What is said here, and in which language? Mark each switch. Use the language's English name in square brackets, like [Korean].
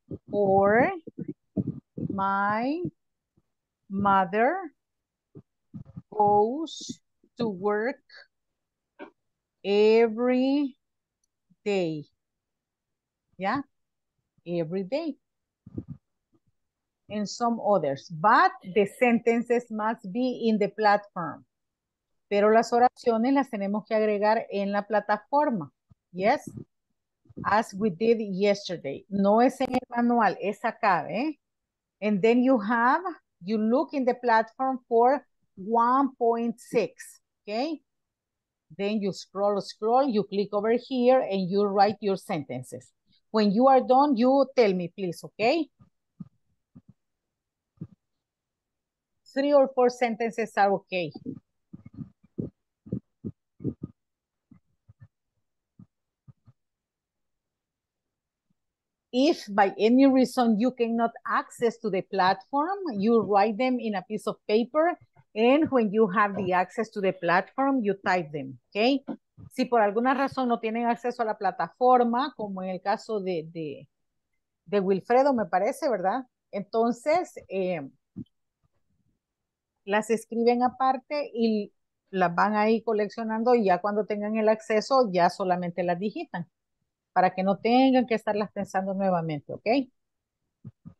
[English] Or my mother goes to work every day. Yeah, every day. And some others, but the sentences must be in the platform. [Spanish] Pero las oraciones las tenemos que agregar en la plataforma. [English] Yes, as we did yesterday. [Spanish] No es en el manual, es acá, ¿eh? [English] And then you look in the platform for 1.6, okay? Then you scroll, you click over here, and you write your sentences. When you are done, you tell me, please, okay? 3 or 4 sentences are okay. If by any reason you cannot access to the platform, you write them in a piece of paper, and when you have the access to the platform, you type them, okay? [Spanish] Si por alguna razón no tienen acceso a la plataforma, como en el caso de Wilfredo, me parece, ¿verdad? Entonces, las escriben aparte y las van ahí coleccionando, y ya cuando tengan el acceso, ya solamente las digitan, para que no tengan que estarlas pensando nuevamente, ¿ok?